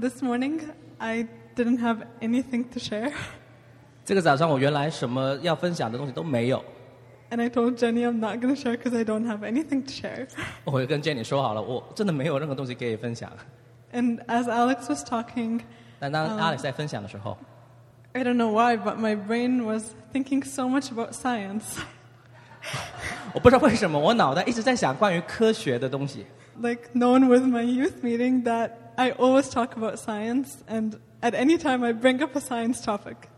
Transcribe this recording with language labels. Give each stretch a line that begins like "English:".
English: This morning, I didn't have anything to share.
Chinese: 这个早上我原来什么要分享的东西都没有。
English: And I told Jenny I'm not going to share because I don't have anything to share.
Chinese: 我跟Jenny说好了，我真的没有任何东西可以分享。
English: And as Alex was talking,
Chinese: 但当Alex在分享的时候，
English: I don't know why, but my brain was thinking so much about science.
Chinese: 我不知道为什么，我脑袋一直在想关于科学的东西。
English: Like known with my youth meeting that I always talk about science, and at any time I bring up a science topic.